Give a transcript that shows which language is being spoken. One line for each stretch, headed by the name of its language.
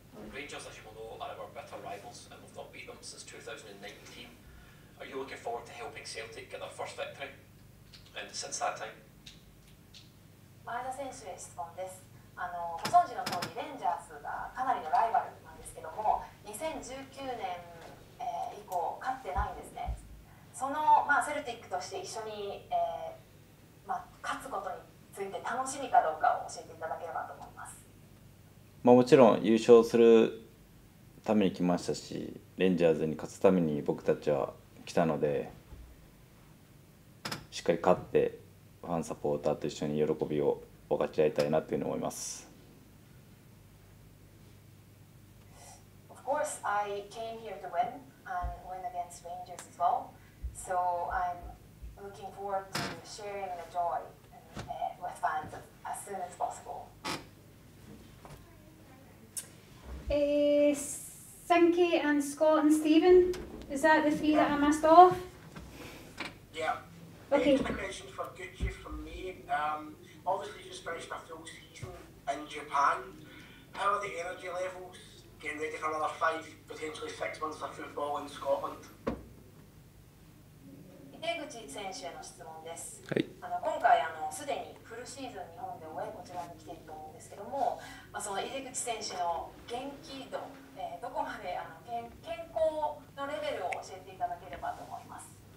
English: Rangers, as you will know, are our bitter rivals and we've not beat them since 2019. Are you looking forward to helping Celtic get their first victory? And since that time?
Japanese: 前田選手へ質問です。あの、ご存知の通り、レンジャーズがかなりのライバルなんですけども、2019年、以降、勝ってないんですね。その、まあ、セルティックとして一緒に、まあ、勝つことについて楽しみかどうかを教えていただければと思います。まあ、もちろん優勝するために来ましたし、レンジャーズに勝つために僕たちは来たのでしっかり勝ってファンサポーターと一緒に喜びを分かち合いたいなというふうに思います。
English: Of course I came here to win and win against Rangers as well, so I'm looking forward to sharing the joy with fans as soon as possible. Sinky and Scott and Stephen. Is that the three that I missed off? Yeah. Okay. A question for Gucci from me. Obviously, just finished a full season in Japan. How are the energy levels getting ready for another 5, potentially 6 months of football in Scotland?
Japanese: 井手口選手への質問です。はい。あの今回あのすでにフルシーズン日本で終えこちらに来ていると思うんですけども、まあ、その井手口選手の元気度、どこまであの健康のレベルを教えていただければと思います。